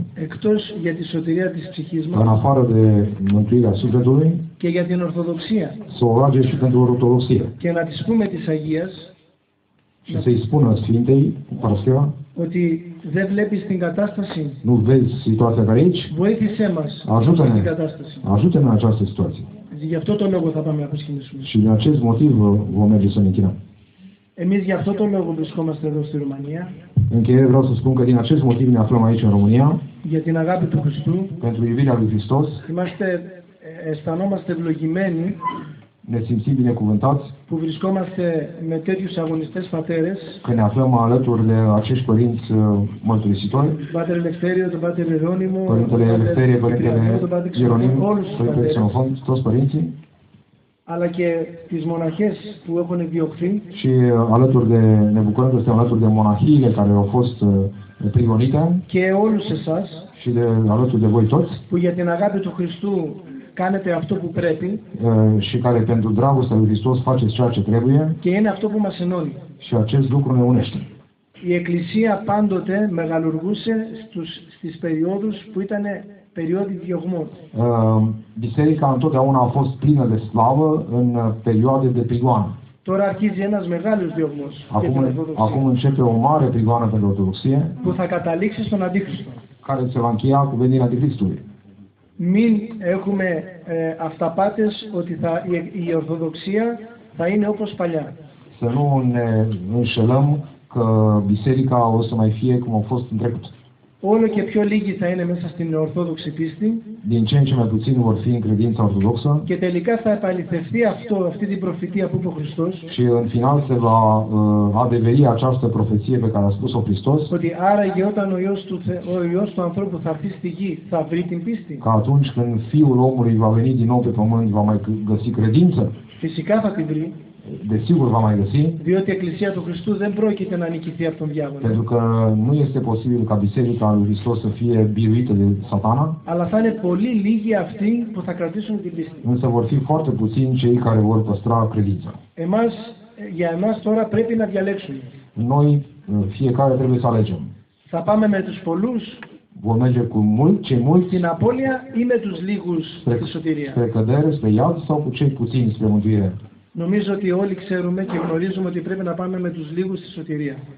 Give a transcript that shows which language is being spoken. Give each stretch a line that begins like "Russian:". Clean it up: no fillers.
Greek: εκτός για τη σωτηρία της ψυχής μας
Romanian: în afară de mântuirea sufletului,
Greek: και για την ορθοδοξία
Romanian: să o roage și pentru ortodoxie.
Greek: Και να της πούμε της Αγίας
Romanian: și să-i spună Sfintei, Parascheva,
Greek: ότι δεν βλέπεις την κατάσταση.
Romanian: Nu vezi situația care aici.
Greek: Βοήθησέ μας.
Romanian: Ajută-ne.
Greek: Την κατάσταση.
Romanian: Ajută-ne în această situație.
Greek: Γι' αυτό το λόγο θα πάμε να προσκυνήσουμε.
Romanian: Și din acest motiv vom merge să ne închinăm.
Greek: Εμείς γι' αυτό το λόγο βρισκόμαστε εδώ στη Ρουμανία.
Romanian: Încheiere, vreau să spun că din acest motiv ne aflăm aici în România.
Greek: Για την αγάπη του Χριστού.
Romanian: Pentru iubirea lui Hristos.
Greek: Είμαστε, αισθανόμαστε ευλογημένοι.
Romanian: Ne simțim binecuvântați.
Greek: Που βρισκόμαστε με τέτοιους αγωνιστές πατέρες.
Romanian: Că ne aflăm alături de acești părinți mărturisitori.
Greek: Πάτερ Ελευθέριο, τον Πάτερ Ιερώνυμο.
Romanian: Părintele Ελευθέριο, Părintele Ιερώνυμο.
Greek: Όλους τους πατέρες. Τόσοι
Romanian: părinții.
Greek: Αλλά και τις μοναχές που έχουν διωχθεί.
Romanian: Și alături de, ne bucurăm că suntem alături de monahiile care au fost prigonite.
Greek: Και όλους εσάς.
Romanian: Și de, alături de voi toți.
Greek: Που για την αγάπη του Χριστού κάνετε αυτό που πρέπει.
Romanian: Și care pentru dragostea lui Hristos faceți ceea ce trebuie.
Greek: Και είναι αυτό που μας ενώνει.
Romanian: Și acest lucru ne unește.
Greek: Η Εκκλησία πάντοτε μεγαλουργούσε στις περιόδους που ήταν περιόδοι διωγμών.
Romanian: Biserica întotdeauna a fost plină de slavă în perioade de prigoană.
Greek: Τώρα αρχίζει ένας μεγάλος διωγμός.
Romanian: Acum începe o mare prigoană pentru ortodoxie.
Greek: Που θα καταλήξει στον Αντίχριστο.
Romanian: Care se va încheia cu venirea Antichristului.
Greek: Μην έχουμε αυταπάτες ότι θα, η ορθοδοξία θα είναι όπως παλιά.
Romanian: Să nu ne înșelăm că biserica o să mai fie cum a fost în trecut.
Greek: Όλο και πιο λίγοι θα είναι μέσα στην ορθόδοξη πίστη.
Romanian: Din ce în ce mai puțin vor fi în credința ortodoxă.
Greek: Και τελικά θα επαληθευτεί αυτό, αυτή την προφητεία που είπε ο Χριστός.
Romanian: Și în final se va adeveri această προφητεία pe care a spus-o Χριστός.
Greek: Ότι άραγε όταν ο Υιός του, του ανθρώπου θα έρθει στη γη, θα βρει την πίστη.
Romanian: Că atunci când Fiul omului va veni din nou pe pământ, va mai găsi credință.
Greek: Φυσικά θα την βρει.
Romanian: Desigur va mai găsi.
Greek: Διότι η Εκκλησία του Χριστού δεν πρόκειται να νικηθεί από τον διάβολο.
Romanian: Pentru că nu este posibil ca Biserica lui Hristos să fie biruită de Satana.
Greek: Αλλά θα είναι πολύ λίγοι αυτοί που θα κρατήσουν την πίστη.
Romanian: Însă vor fi foarte puțini cei care vor păstra credința.
Greek: Εμάς, για εμάς τώρα πρέπει να διαλέξουμε.
Romanian: Noi, fiecare trebuie să alegem.
Greek: Θα πάμε με τους πολλούς.
Romanian: Vom merge cu mulți, cei mulți.
Greek: Στην απώλεια ή με τους λίγους
Romanian: spre,
Greek: στη σωτηρία.
Romanian: Spre cădere, spre iad sau cu cei puțini spre mântuire.
Greek: Νομίζω ότι όλοι ξέρουμε και γνωρίζουμε ότι πρέπει να πάμε με τους λίγους στη σωτηρία.